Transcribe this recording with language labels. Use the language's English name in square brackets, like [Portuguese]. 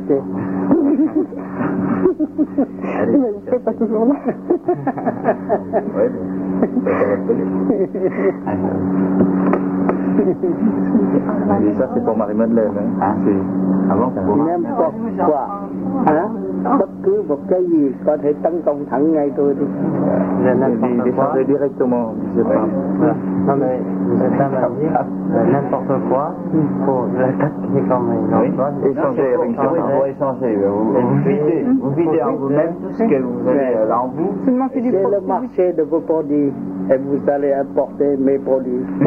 [French] Mais vous ne faites pas toujours là. Oui, mais ça, c'est pour Marie-Madeleine. Hein? Ah, si. Avant, ah bon, c'est pour bon. N'importe quoi. Hein? [Vietnamese] Bất cứ một cái gì có thể tấn công thẳng ngay tôi đi. [French] N'importe quoi. Directement, je sais pas. Non mais, vous êtes là, mais n'importe quoi, pour l'attaquer quand même. Oui, échanger avec quelqu'un. Vous échangez, vous videz en vous-même tout ce que vous avez en vous. C'est le marché de vos produits. Et vous allez apporter mes produits.